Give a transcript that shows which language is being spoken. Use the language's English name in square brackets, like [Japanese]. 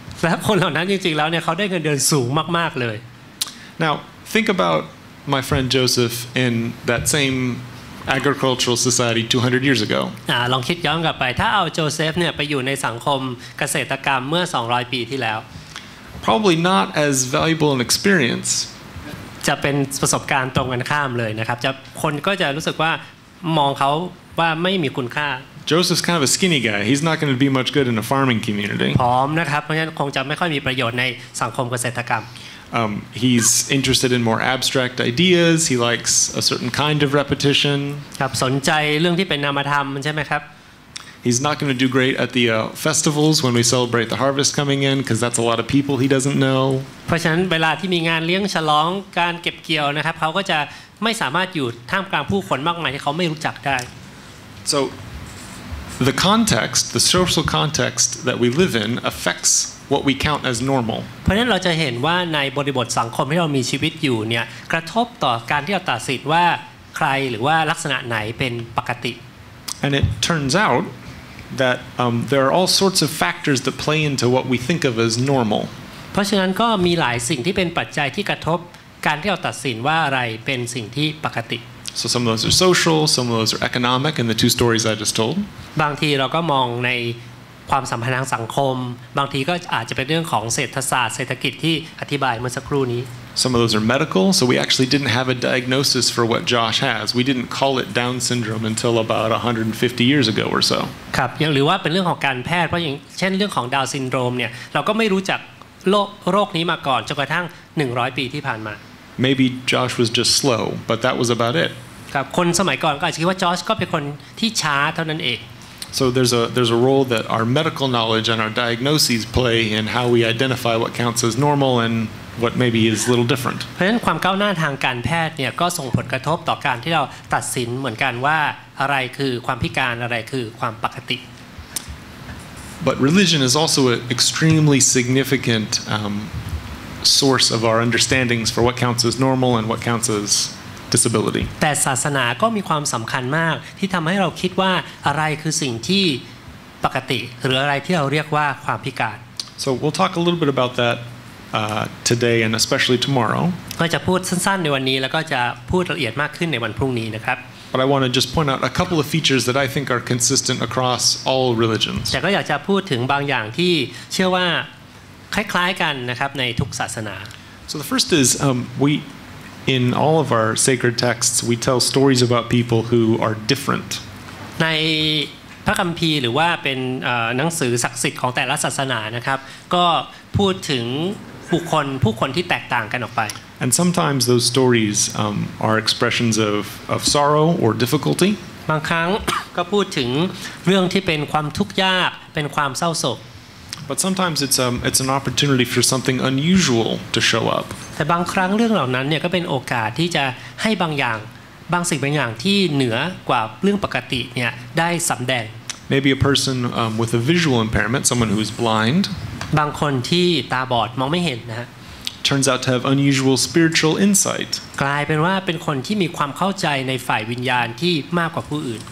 [Thai] และคนเหล่านั้นจริงๆแล้วเนี่ยเขาได้เงินเดือนสูงมากๆเลย [English] Now think about my friend Joseph in that same agricultural society 200 years ago. [Thai] ลองคิดย้อนกลับไปถ้าเอาโจเซฟเนี่ยไปอยู่ในสังคมเกษตรกรรมเมื่อ200ปีที่แล้ว [English] Probably not as valuable an experience. [Thai] จะเป็นประสบการณ์ตรงกันข้ามเลยนะครับจะคนก็จะรู้สึกว่ามองเขาว่าไม่มีคุณค่า [English] Joseph's kind of a skinny guy. He's not going to be much good in a farming community. [Thai] ผอมนะครับเพราะฉะนั้นคงจะไม่ค่อยมีประโยชน์ในสังคมเกษตรกรรม [English] He's interested in more abstract ideas. He likes a certain kind of repetition. [Thai] ครับสนใจเรื่องที่เป็นนามธรรมใช่ไหมครับ [English] He's not going to do great at the festivals when we celebrate the harvest coming in, because that's a lot of people he doesn't know. [Thai] เพราะฉะนั้นเวลาที่มีงานเลี้ยงฉลองการเก็บเกี่ยวนะครับเขาก็จะไม่สามารถอยู่ท่ามกลางผู้คนมากมายที่เขาไม่รู้จักได้ [English] So the context, the social context that we live in affects. What we count as normal. [Thai] เพราะฉะนั้นเราจะเห็นว่าในบริบทสังคมที่เรามีชีวิตอยู่เนี่ยกระทบต่อการที่เราตัดสินว่าใครหรือว่าลักษณะไหนเป็นปกติ [English] And it turns out that there are all sorts of factors that play into what we think of as normal. [Thai] เพราะฉะนั้นก็มีหลายสิ่งที่เป็นปัจจัยที่กระทบการที่เราตัดสินว่าอะไรเป็นสิ่งที่ปกติ [English] So some of those are social, some of those are economic, and the two stories I just told. [Thai] บางทีเราก็มองในความสัมพันธ์ทางสังคมบางทีก็อาจจะเป็นเรื่องของเศรษฐศาสตร์เศรษฐกิจที่อธิบายเมื่อสักครู่นี้ [English] Some of those are medical so we actually didn't have a diagnosis for what Josh has we didn't call it Down syndrome until about 150 years ago or so [Thai] ครับหรือว่าเป็นเรื่องของการแพทย์เพราะอย่างเช่นเรื่องของดาวซินโดรมเนี่ยเราก็ไม่รู้จักโรคนี้มาก่อนจนกระทั่ง100ปีที่ผ่านมา [English] Maybe Josh was just slow but that was about it [Thai] ครับคนสมัยก่อนก็อาจจะคิดว่าจอชก็เป็นคนที่ช้าเท่านั้นเอง [English] So there's a role that our medical knowledge and our diagnoses play in how we identify what counts as normal and what maybe is a little different. [Thai] เพราะฉะนั้นความก้าวหน้าทางการแพทย์เนี่ยก็ส่งผลกระทบต่อการที่เราตัดสินเหมือนกันว่าอะไรคือความพิการอะไรคือความปกติ [English] But religion is also an extremely significant source of our understandings for what counts as normal and what counts asDisability. [Thai] แต่ศาสนาก็มีความสำคัญมากที่ทำให้เราคิดว่าอะไรคือสิ่งที่ปกติหรืออะไรที่เราเรียกว่าความพิการ [English] So we'll talk a little bit about that today and especially tomorrow. [Thai] ก็จะพูดสั้นๆในวันนี้แล้วก็จะพูดละเอียดมากขึ้นในวันพรุ่งนี้นะครับ [English] But I want to just point out a couple of features that I think are consistent across all religions. [Thai] แต่ก็อยากจะพูดถึงบางอย่างที่เชื่อว่าคล้ายๆกันนะครับในทุกศาสนา [English] So the first is weIn all of our sacred texts, we tell stories about people who are different. [Thai] ในพระคัมภีร์หรือว่าเป็นหนังสือศักดิ์สิทธิ์ของแต่ละศาสนานะครับก็พูดถึงผู้คนที่แตกต่างกันออกไป [English] And sometimes those stories are expressions of sorrow or difficulty. [Thai] บางครั้งก็พูดถึงเรื่องที่เป็นความทุกข์ยากเป็นความเศร้าโศก [English] But sometimes it's an opportunity for something unusual to show up. [Thai] แต่บางครั้งเรื่องเหล่านั้นเนี่ยก็เป็นโอกาสที่จะให้บางอย่างบางสิ่งบางอย่างที่เหนือกว่าเรื่องปกติเนี่ยได้สําแดง [English] Maybe a person with a visual impairment, someone who's blind. [Thai] บางคนที่ตาบอดมองไม่เห็นนะฮะ [English] Turns out to have unusual spiritual insight. [Thai] กลายเป็นว่าเป็นคนที่มีความเข้าใจในฝ่ายวิญญาณที่มากกว่าผู้อื่น